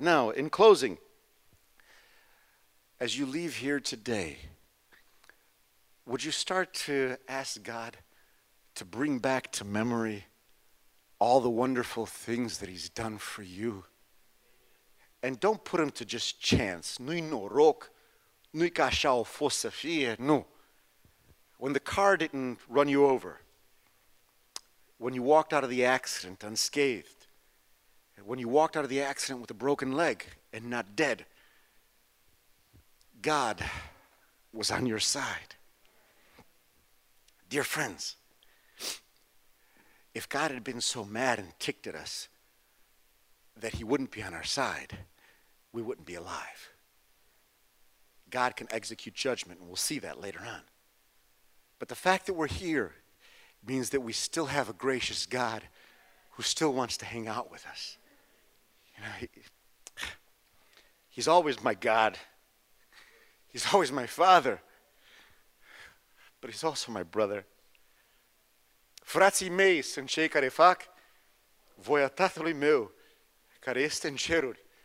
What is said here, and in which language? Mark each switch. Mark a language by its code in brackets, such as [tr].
[en] Now, in closing, as you leave here today, would you start to ask God to bring back to memory all the wonderful things that he's done for you? And don't put him to just chance. [ro] Nu-i noroc, nu-i ca așa o fost să fie, nu. [en] When the car didn't run you over, when you walked out of the accident unscathed, when you walked out of the accident with a broken leg and not dead, God was on your side. Dear friends, if God had been so mad and ticked at us that he wouldn't be on our side, we wouldn't be alive. God can execute judgment, and we'll see that later on. But the fact that we're here means that we still have a gracious God who still wants to hang out with us. You know, he's always my God. He's always my father. But he's also my brother. [ro] Frații mei sunt cei care fac voia Tatălui meu care este în ceruri.